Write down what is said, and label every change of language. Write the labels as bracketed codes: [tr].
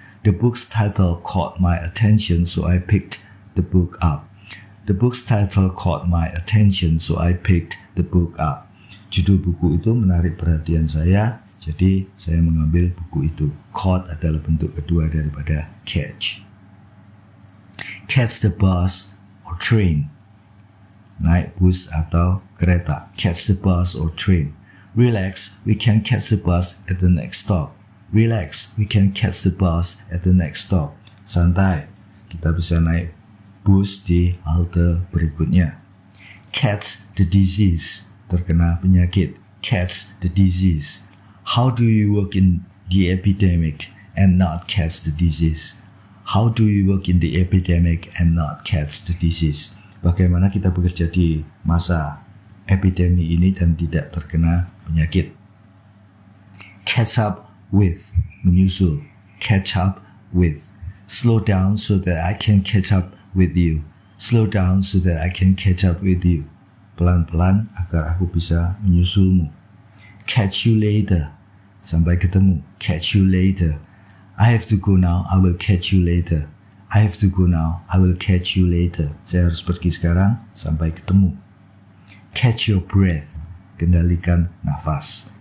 [en] The book's title caught my attention, so I picked the book up. The book's title caught my attention, so I picked the book up. [id] Judul buku itu menarik perhatian saya, jadi saya mengambil buku itu. Caught adalah bentuk kedua daripada catch. [en] Catch the bus or train. [id] Naik bus atau kereta. [en] Catch the bus or train. Relax, we can catch the bus at the next stop. Relax, we can catch the bus at the next stop. [id] Santai, kita bisa naik bus di halte berikutnya. [en] Catch the disease. [id] Terkena penyakit. [en] Catch the disease. How do you work in the epidemic and not catch the disease? How do you work in the epidemic and not catch the disease? [id] Bagaimana kita bekerja di masa epidemi ini dan tidak terkena penyakit? [en] Catch up with. Menyusul. Catch up with. Slow down so that I can catch up with you. Slow down so that I can catch up with you. [id] Pelan-pelan agar aku bisa menyusulmu. [en] Catch you later. [id] Sampai ketemu. [en] Catch you later. I have to go now. I will catch you later. I have to go now. I will catch you later. [id] Saya harus pergi sekarang. Sampai ketemu. [en] Catch your breath. [id] Kendalikan nafas.